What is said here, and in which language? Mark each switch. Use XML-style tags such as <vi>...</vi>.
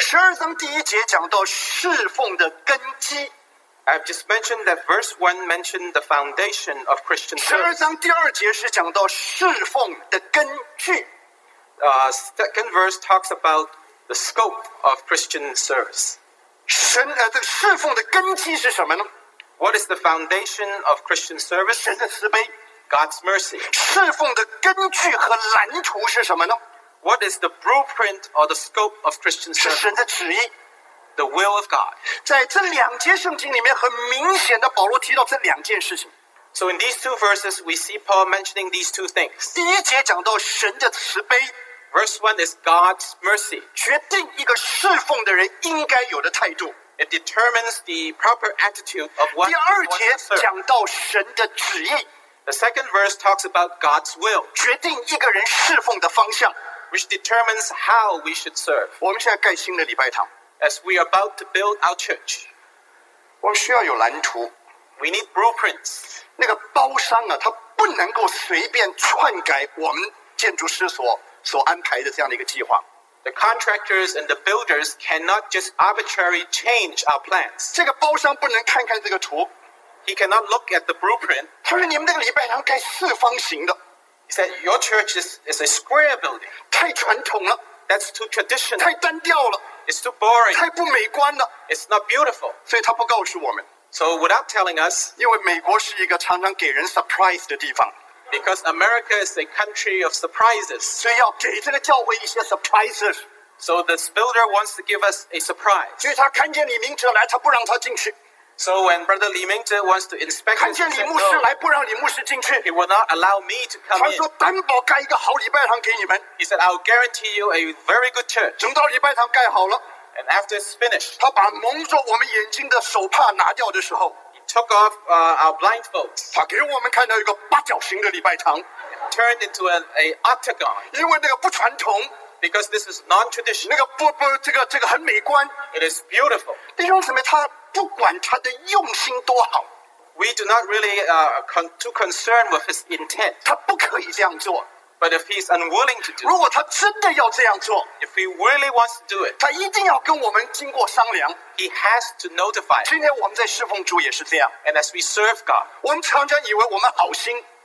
<zh>十二章第一节讲到侍奉的根基。</zh> <en>I've just mentioned that verse 1 mentioned the foundation of Christian service.</en> <zh>十二章第二节是讲到侍奉的根据。</zh> <en>Second verse talks about the scope of Christian service.</en> <zh>神这个侍奉的根基是什么呢？</zh> <en>What is the foundation of Christian service?</en> <zh>神的慈悲。</zh> <en>God's mercy.</en> <zh>侍奉的根据和蓝图是什么呢？</zh> <en>What is the blueprint or the scope of Christian service?</en> <zh>是神的旨意。</zh> <en>The will of God.</en> <zh>在这两节圣经里面，很明显的保罗提到这两件事情。</zh> <en>So in these two verses, we see Paul mentioning these two things.</en> <zh>第一节讲到神的慈悲。</zh> <en>Verse 1 is God's mercy.</en> <zh>决定一个侍奉的人应该有的态度。</zh> <en>It determines the proper attitude of one who wants to serve.</en> <zh>第二节讲到神的旨意。</zh> <en>The second verse talks about God's will.</en> <zh>决定一个人侍奉的方向。</zh> <en>Which determines how we should serve.</en> <zh>我们现在盖新的礼拜堂。</zh> <en>As we are about to build our church.</en> <zh>我们需要有蓝图。</zh> <en>We need blueprints.</en> <zh>那个包商啊，他不能够随便篡改我们建筑师所安排的这样的一个计划。</zh> <en>The contractors and the builders cannot just arbitrarily change our plans.</en> <zh>这个包商不能看看这个图。</zh> <en>He cannot look at the blueprint.</en> <zh>他说你们那个礼拜堂盖四方形的。</zh> <en>He said your church is a square building.</en> <zh>太传统了。</zh> <en>That's too traditional.</en> <zh>太单调了。</zh> <en>It's too boring.</en> <zh>太不美观了。</zh> <en>It's not beautiful.</en> <zh>所以他不告诉我们。</zh> <en>So without telling us,</en> <zh>因为美国是一个常常给人 surprise 的地方。</zh> <en>Because America is a country of surprises.</en> <zh>所以要给这个教会一些 surprises.</zh> <en>So this builder wants to give us a surprise.</en> <zh>所以他看见李明哲来，他不让他进去。</zh> <en>So when Brother Li Mingzhe wants to inspect,</en> <zh>看见李牧师来，不让李牧师进去。</zh> <en>He will not allow me to come in.</en> <zh>他说担保盖一个好礼拜堂给你们。</zh> <en>He said I'll guarantee you a very good church.</en> <zh>等到礼拜堂盖好了。</zh> <en>And after it's finished,</en> <zh>他把蒙着我们眼睛的手帕拿掉的时候</zh> <en>，He took off our blindfolds.</en> <zh>他给我们看到一个八角形的礼拜堂</zh> <en>，turned into an octagon.</en> <zh>因为那个不传统</zh> <en>，because this is non-traditional.</en> <zh>那个不，这个很美观</zh> <en>，it is beautiful.</en> <zh>弟兄姊妹，他不管他的用心多好</zh> <en>，we do not really too concerned with his intent.</en> <zh>他不可以这样做。</zh> <en>But if he's unwilling to do,</en> <zh>如果他真的要这样做</zh> <en>，if he really wants to do it,</en> <zh>他一定要跟我们经过商量。</zh> <en>He has to notify.</en> <zh>今天我们在侍奉主也是这样。</zh> <en>And as we serve God,</en> <zh>我们常常以为我们好心。</zh>